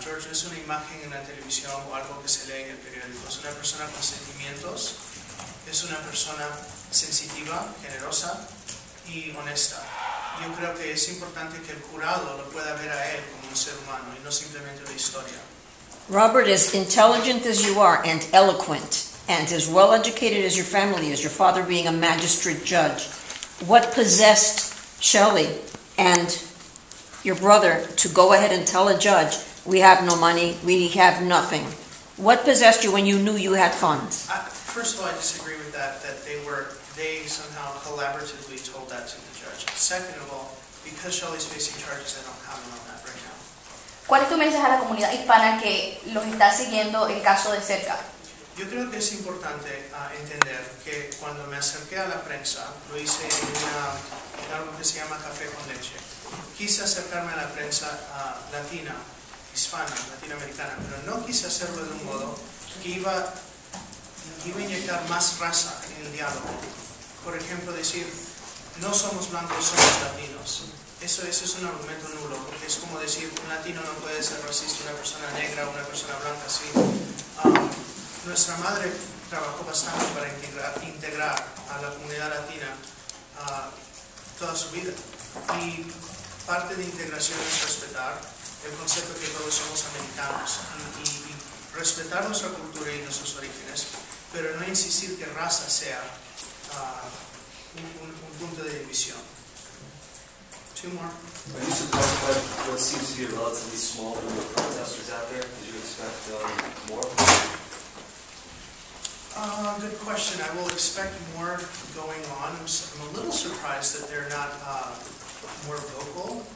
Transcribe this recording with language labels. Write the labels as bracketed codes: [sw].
[es] George no es una imagen en la televisión o algo que se lee en el periódico. Es una persona con sentimientos, es una persona sensitiva, generosa y honesta. Yo creo que es importante que el jurado lo pueda ver a él como un ser humano y no simplemente la historia. [en] Robert, as intelligent as you are and eloquent and as well educated as your family is, your father being a magistrate judge, what possessed Shelley and your brother to go ahead and tell a judge, we have no money, we have nothing? What possessed you when you knew you had funds? First of all, I disagree with that they somehow collaboratively told that to the judge. Second of all, because Shelley's facing charges, I don't comment on that right now. [es] ¿Cuál es tu mensaje a la comunidad hispana que los está siguiendo el caso de cerca? Yo creo que es importante entender que cuando me acerqué a la prensa, lo hice en algo que se llama Café con Leche. Quise acercarme a la prensa latina, hispana, latinoamericana, pero no quise hacerlo de un modo que iba a inyectar más raza en el diálogo. Por ejemplo, decir, no somos blancos, somos latinos. Eso es un argumento nulo, porque es como decir, un latino no puede ser racista, una persona negra, una persona blanca, sí. Nuestra madre trabajó bastante para integrar a la comunidad latina toda su vida. Y parte de integración es respetar el concepto de que todos somos americanos y respetar nuestra cultura y nuestros orígenes, pero no insistir que raza sea un punto de división. [en] Two more. Are you surprised by what seems to be a relatively small number of protesters out there? Did you expect more? Good question. I will expect more going on. I'm a little surprised that they're not more vocal.